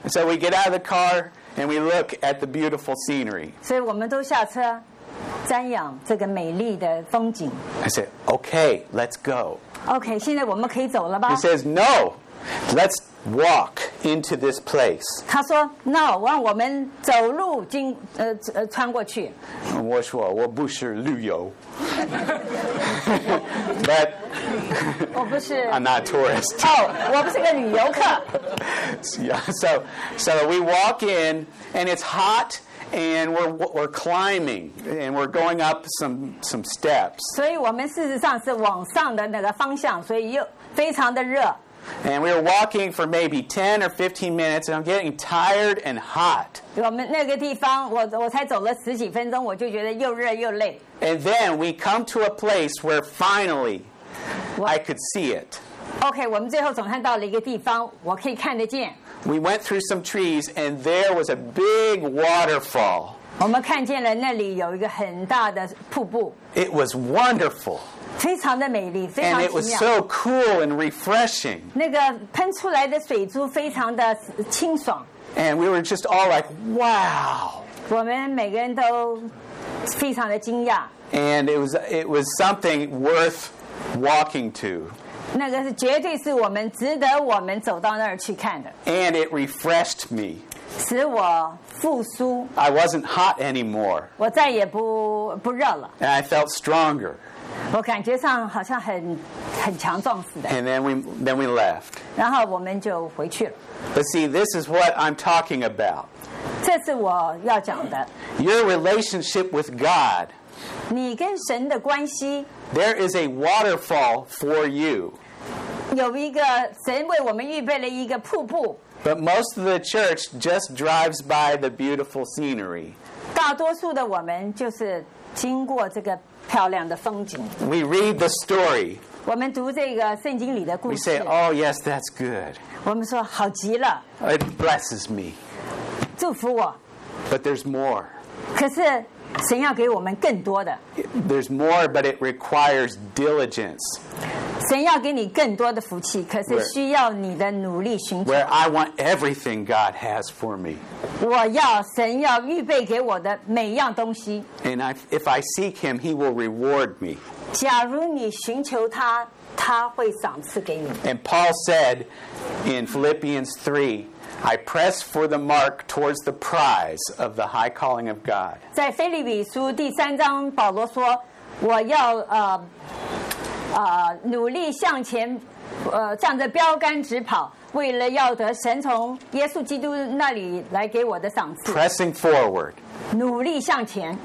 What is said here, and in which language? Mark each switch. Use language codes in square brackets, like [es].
[en] So we get out of the car and we look at the beautiful scenery. [zh] 所以我们都下车，瞻仰这个美丽的风景。 [en] I said, "Okay, let's go." [zh] Okay, 现在我们可以走了吧 [en] ？He says, "No, let's walk into this place." [zh] 他说 ，No， 让我们走路经穿过去。我说我不是旅游。 [en] But I'm not a tourist. Oh, I'm not a tourist. So we walk in, and it's hot, and we're climbing, and we're going up some steps. So we're actually going up the direction, so it's very hot. And we were walking for maybe 10 or 15 minutes, and I'm getting tired and hot. [zh] 我们那个地方，我才走了十几分钟，我就觉得又热又累。 [en] And then we come to a place where finally, I could see it. [zh] Okay, 我们最后总算到了一个地方，我可以看得见。 [en] We went through some trees, and there was a big waterfall. [zh] 我们看见了那里有一个很大的瀑布。 [en] It was wonderful. [zh] 非常的美丽，非常奇妙。 [en] And it was so cool and refreshing. [zh] 那个喷出来的水珠非常的清爽。 [en] And we were just all like, "Wow!" [zh] 我们每个人都非常的惊讶。 [en] And it was something worth walking to. [zh] 那个是绝对是我们值得我们走到那儿去看的。 [en] And it refreshed me. [zh] 使我复苏。 [en] I wasn't hot anymore. [zh] 我再也不热了。 [en] And I felt stronger. [zh] 我感觉上好像很强壮似的。 [en] And then we left. [zh] 然后我们就回去了。 [en] But see, this is what I'm talking about. [zh] 这是我要讲的。 [en] Your relationship with God. [zh] 你跟神的关系。 [en] There is a waterfall for you. [zh] 有一个神为我们预备了一个瀑布。 [en] But most of the church just drives by the beautiful scenery. [zh] 大多数的我们就是经过这个。漂亮的风景。 [en] We read the story. [zh] 我们读这个圣经里的故事。 [en] We say, "Oh yes, that's good." [zh] 我们说好极了。 [en] It blesses me. [zh] 祝福我。 [en] But there's more. [zh] 可是神要给我们更多的。 [en] There's more, but it requires diligence. [zh] 神要给你更多的福气，可是需要你的努力寻求。 [en] Where I want everything God has for me. [zh] 我要神要预备给我的每样东西。 [en] And if I seek Him, He will reward me. [zh] 假如你寻求他，他会赏赐给你。 [en] And Paul said in Philippians 3. I press for the mark towards the prize of the high calling of God. [zh] 在腓立比书第三章，保罗说：“我要努力向前，向着标杆直跑，为了要得神从耶稣基督那里来给我的赏赐。” [en] Pressing forward. [zh] 努力向前。